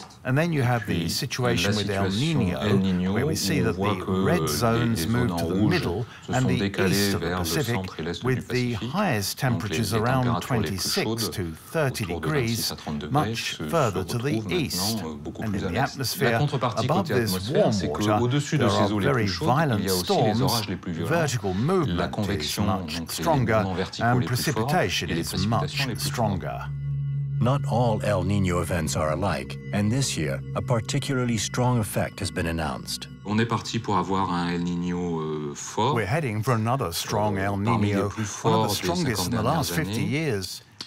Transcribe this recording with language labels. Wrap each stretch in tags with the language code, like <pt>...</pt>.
<fr>Et puis, vous avez la situation avec El Niño, où on voit que les zones rouges se sont décalées vers le centre et l'est du Pacifique, donc les températures les plus chaudes, autour de 26 à 30 degrés, se trouvent maintenant beaucoup plus à l'est. La contrepartie côté atmosphère, c'est qu'au-dessus de ces eaux les plus chaudes, il y a aussi les orages les plus violents. La convection est beaucoup plus forte et les précipitations les plus fortes.</fr> <en>Not all El Niño events are alike, and this year, a particularly strong effect has been announced.</en> <fr>On est parti pour avoir un El Niño fort.</fr> <en>We're heading for another strong El Niño, one of the strongest in the last 50 years.</en>